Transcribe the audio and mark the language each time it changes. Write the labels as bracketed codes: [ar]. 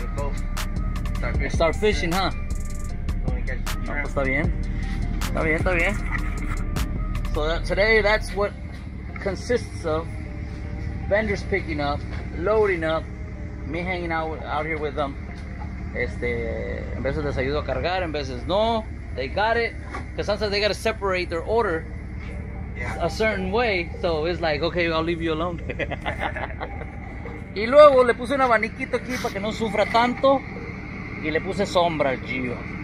[en] Man, you get a boat. Start fishing, huh? [es] No, pues está bien. Está bien. [en] So today, that's what consists of vendors picking up, loading up, me hanging out here with them. [es] En veces les ayudo a cargar, en veces no. [en] They got it. Because sometimes they got to separate their order a certain way. So it's like, okay, I'll leave you alone. [es] Y luego le puse un abaniquito aquí para que no sufra tanto. Y le puse sombra al Gio.